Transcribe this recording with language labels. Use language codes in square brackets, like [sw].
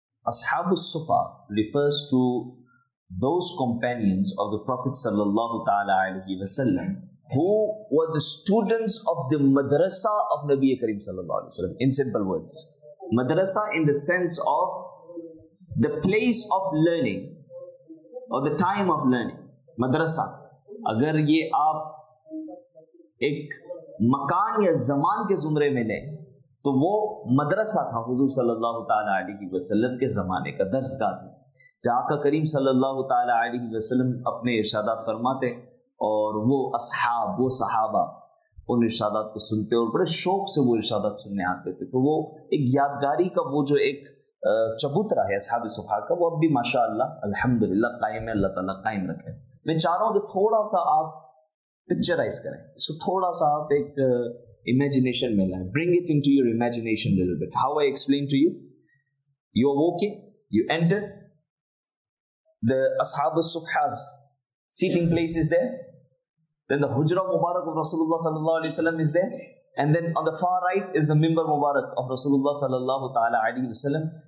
[en] Ashab al-Sufa refers to those companions of the Prophet sallallahu ta'ala alayhi wa sallam who were the students of the madrasa of Nabi Karim sallallahu alayhi wa sallam. In simple words, madrasa in the sense of the place of learning or the time of learning. [ur] Madrasa, agar ye aap ek makan ya zaman ke zumre mein le, تو وہ مدرسہ تھا حضور صلی اللہ تعالیٰ علیہ وسلم کے زمانے کا, درس گاہ تھا جہاں آقا کریم صلی اللہ تعالیٰ علیہ وسلم اپنے ارشادات فرماتے اور وہ اصحاب, وہ صحابہ ان ارشادات کو سنتے اور بڑے شوق سے وہ ارشادات سننے آتے تھے. تو وہ ایک یادگاری کا, وہ جو ایک چبوترہ ہے اصحاب صفحہ کا, وہ اب بھی ماشاء اللہ الحمد للہ قائم ہے, اللہ تعالیٰ قائم رکھے. میں چاہ رہا ہوں کہ تھوڑا سا آپ پکچرائز کریں اس کو, تھوڑا سا آپ ایک imagination mein lae, [en] bring it into your imagination a little bit. How I explain to you, you are walking, you enter the Ashab al-Subha's seating place is there, then the Hujra Mubarak of Rasulullah sallallahu alayhi wa sallam is there, and then on the far right is the Mimbar Mubarak of Rasulullah sallallahu ta'ala alayhi wa sallam.